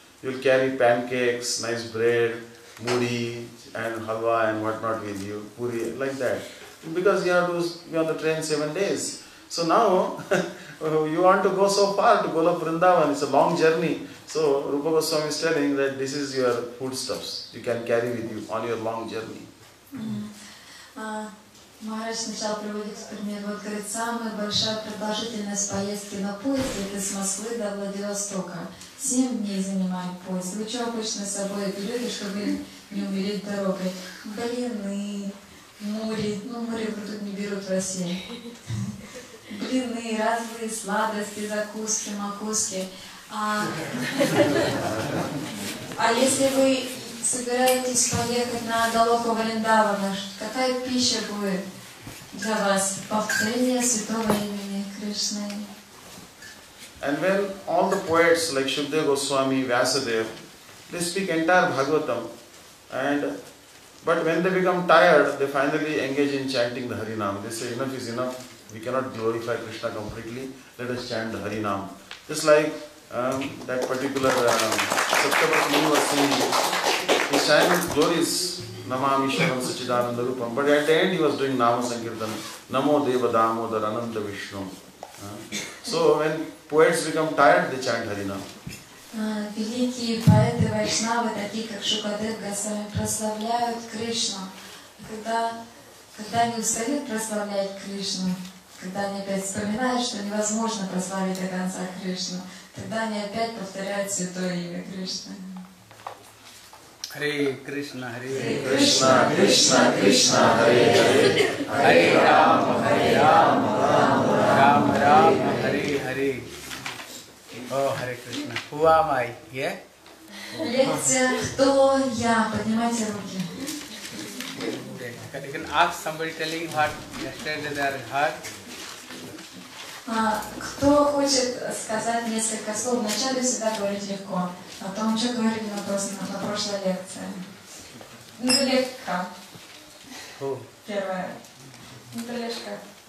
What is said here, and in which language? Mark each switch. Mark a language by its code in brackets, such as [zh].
[en] You will carry pancakes, nice bread, mudi and halwa and what not with you, puri, like that. Because you have to be on the train 7 days. So now, you want to go so far to Golok Vrindavan, it's a long journey. So Rupa Goswami is telling that this is your foodstuffs, you can carry with you on your long journey. [ru] Maharaj сначала приводит в пример, вот говорит, самая большая продолжительность поездки на поезде это с Москвы до Владивостока. 7 дней занимает поезд. Вы что обычно с собой берете, чтобы не умереть дорогой? Блины, мури, ну мури тут не берут в России. Блины, разные сладости, закуски, макуски. А если вы собираетесь поехать на Далоко Вриндавана, какая пища будет? Для вас повторение святого имени Кришны. [en] And when all the poets like Shukdev Goswami, Vyasadev, they speak entire Bhagavatam. But when they become tired, they finally engage in chanting the Harinam. They say, enough is enough. We cannot glorify Krishna completely. Let us chant the Harinam. Just like that particular Saptapati Muni was singing. He sang his glories. [sa] Namami Shivam Sachidananda Rupam. [en] But at the end he was doing Nama Sankirtana. [sa] Namo Deva Damodar Ananda Vishnu. [en] So when poets become tired, they chant Harinam. [ru] Великие поэты вайшнавы, такие как Шукадев Госвами, прославляют Кришну. Когда они устают прославлять Кришну, когда они опять вспоминают, что невозможно прославить до конца Кришну, тогда они опять повторяют святое имя Кришны. [sa] Hare Krishna, Hare Krishna, Krishna Krishna, Hare Hare, Hare Rama, Hare Rama, Rama Rama, Rama Hare Hare. [en] Oh, [sa] Hare Krishna. [en] Who am I? Yeah? [ru] Lekcia, kto ya? Поднимайте руки. [en] You can ask somebody telling what yesterday they are heard. [ru] Кто хочет сказать несколько слов? Вначале всегда говорить легко. О том, что говорили на прошлой лекции. Ну, легко. Кто? Первое. Ну, Лешка.